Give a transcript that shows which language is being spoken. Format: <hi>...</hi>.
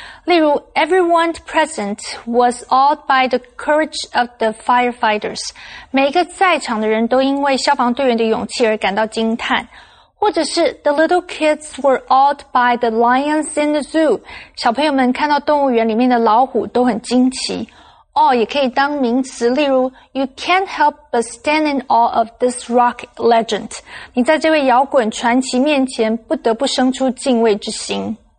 <zh>例如</zh> <en>,everyone present was awed by the courage of the firefighters.</en> <zh>每一个在场的人都因为消防队员的勇气而感到惊叹。或者是</zh> <en>,the little kids were awed by the lions in the zoo.</en> <zh>小朋友们看到动物园里面的老虎都很惊奇。</zh> <en>awe</en> <zh>也可以当名词，例如</zh> <en>,you can't help but stand in awe of this rock legend.</en> <zh>你在这位摇滚传奇面前不得不生出敬畏之心。</zh>